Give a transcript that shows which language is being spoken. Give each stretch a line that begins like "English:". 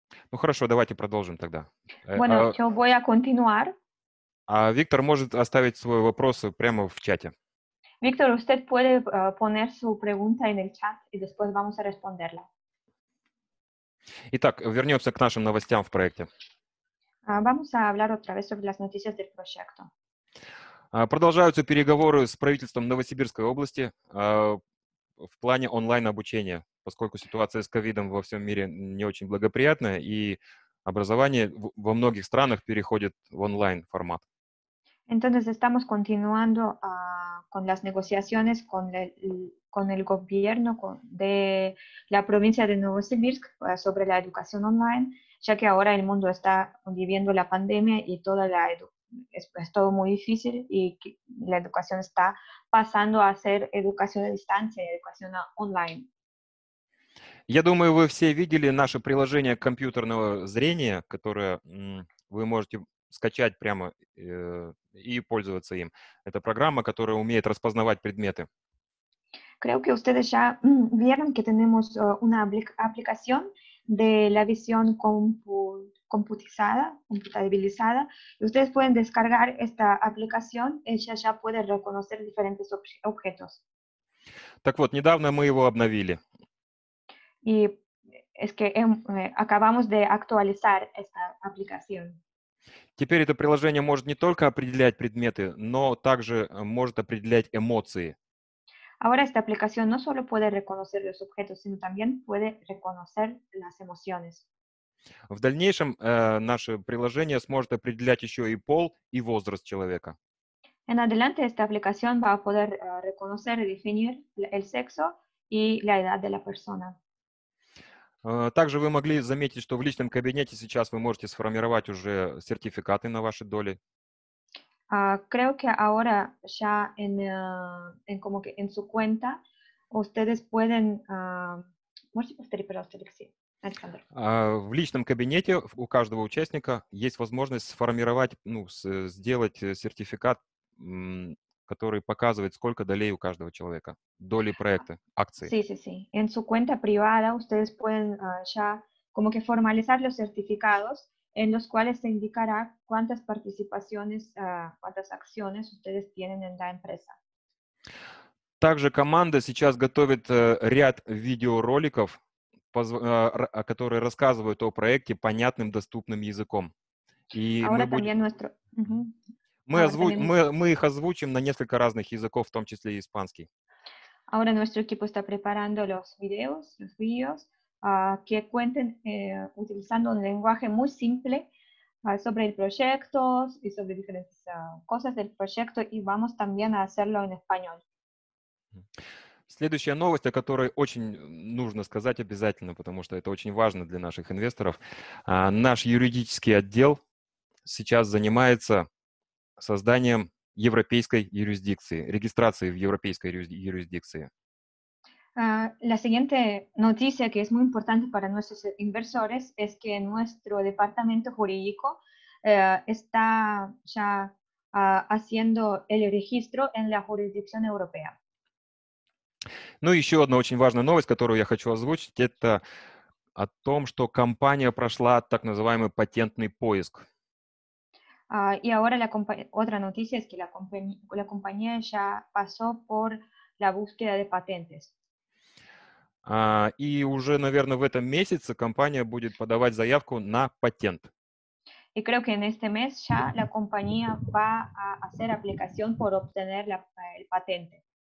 Russian: Ну хорошо, давайте продолжим тогда.
Spanish: Bueno, yo voy a continuar.
Russian: А Виктор может оставить свой вопрос прямо в чате.
Spanish: Виктор, usted puede poner su pregunta en el chat y después vamos a responderla.
Russian: Итак, вернемся к нашим новостям в проекте.
Spanish: Vamos a hablar otra vez sobre las noticias del proyecto.
Russian: Продолжаются переговоры с правительством Новосибирской области в плане онлайн-обучения, поскольку ситуация с ковидом во всем мире не очень благоприятная, и образование во многих странах переходит в онлайн-формат.
Spanish: Entonces estamos continuando con las negociaciones con el gobierno de la provincia de Novosibirsk sobre la educación online, ya que ahora el mundo está viviendo la pandemia y toda la es todo muy difícil y la educación está pasando a ser educación a distancia, educación online.
Russian: Я думаю, вы все видели наше приложение компьютерного зрения, которое вы можете скачать прямо и пользоваться им. Это программа, которая умеет распознавать предметы.
Spanish: Creo que ustedes ya vieron que tenemos una aplicación de la visión computabilizada. Ustedes pueden descargar esta aplicación, ella ya puede reconocer diferentes objetos.
Russian: Так вот, недавно мы его обновили.
Spanish: Y es que acabamos de actualizar esta aplicación.
Russian: Теперь это приложение может не только определять предметы, но также может определять эмоции.
Spanish: Ahora esta aplicación no solo puede reconocer los objetos, sino también puede reconocer las emociones.
Russian: В дальнейшем наше приложение сможет определять еще и пол и возраст человека.
Spanish: En adelante esta aplicación va a poder reconocer y definir el sexo y la edad de la persona.
Russian: Также вы могли заметить, что в личном кабинете сейчас вы можете сформировать уже сертификаты на ваши доли.
Spanish: Creo que ahora ya en como que en su cuenta ustedes pueden
Russian: можете повторить, пожалуйста, Алексей, Александр. В личном кабинете у каждого участника есть возможность сформировать, ну, сделать сертификат, который показывает, сколько долей у каждого человека, доли проекта, акции.
Spanish: Sí, sí, sí. En su cuenta privada ustedes pueden ya como que formalizar los certificados, en los cuales se indicará cuántas participaciones, cuántas acciones ustedes tienen en la empresa.
Russian: Также команда сейчас готовит ряд видеороликов, которые рассказывают о проекте понятным, доступным языком. И ahora мы будем...
Spanish: нuestro...
Russian: мы их озвучим на несколько разных языков, в том числе и испанский.
Spanish: Ahora nuestro equipo está preparando los videos, que cuenten utilizando un lenguaje muy simple sobre el proyecto y sobre diferentes cosas del proyecto y vamos también a hacerlo en español.
Russian: Следующая новость, о которой очень нужно сказать обязательно, потому что это очень важно для наших инвесторов. Наш юридический отдел сейчас занимается созданием европейской юрисдикции, регистрации в европейской юрисдикции.
Spanish: La siguiente noticia que es muy importante para nuestros inversores es que nuestro departamento jurídico está ya haciendo el registro en la jurisdicción europea.
Russian: Ну, еще одна очень важная новость, которую я хочу озвучить, это о том, что компания прошла так называемый патентный поиск.
Spanish: Y ahora otra noticia es que la compañía ya pasó por la búsqueda de patentes.
Russian: И уже, наверное, в этом месяце компания будет подавать заявку на патент.
Spanish: И creo que en este mes ya la compañía va a hacer aplicación por obtener el patente.